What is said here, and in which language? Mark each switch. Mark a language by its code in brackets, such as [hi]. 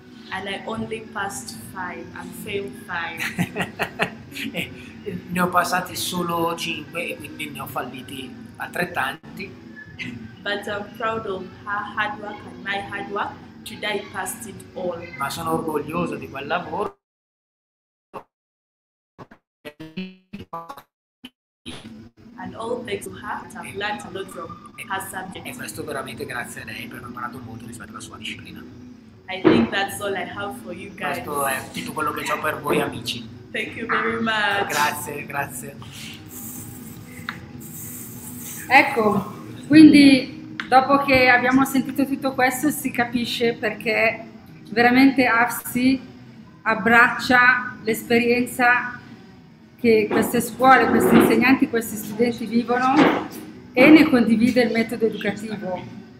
[en] And I only passed 5, I failed 5. [it] Ne ho passati solo 5 e quindi ne ho falliti altrettanti. [en] But I'm proud of her hard work and my hard work. Today I passed it all. [it] Ma sono orgoglioso di quel lavoro. [en] And all thanks to her, I've learned a lot from her subject. [it] E questo veramente grazie a lei per aver imparato molto rispetto alla sua disciplina. [en] I think that's all I have for you guys. [it] Questo è tutto quello che ho per voi, amici. [en] Thank you very much. [it] Grazie, grazie. Ecco, quindi dopo che abbiamo sentito tutto questo si capisce perché veramente AFSI abbraccia l'esperienza che queste scuole, questi insegnanti, questi studenti vivono e ne condivide il metodo educativo.